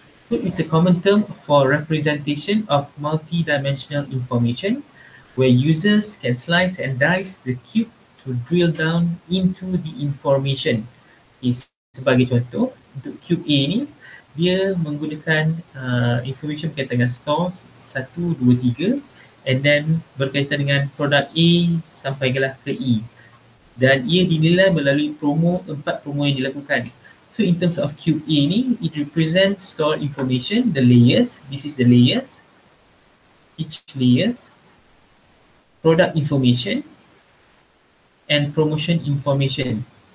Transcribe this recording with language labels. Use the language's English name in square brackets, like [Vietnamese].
[English] So it's a common term for representation of multidimensional information where users can slice and dice the cube to drill down into the information. [Malay] Sebagai contoh, untuk cube A ni, dia menggunakan information berkaitan dengan stores 1, 2, 3 and then berkaitan dengan produk A sampai ke E. Dan ia dinilai melalui promo, 4 promo yang dilakukan. [English] So in terms of cube A ni, it represents store information, the layers, this is the layers, each layers, product information and promotion information.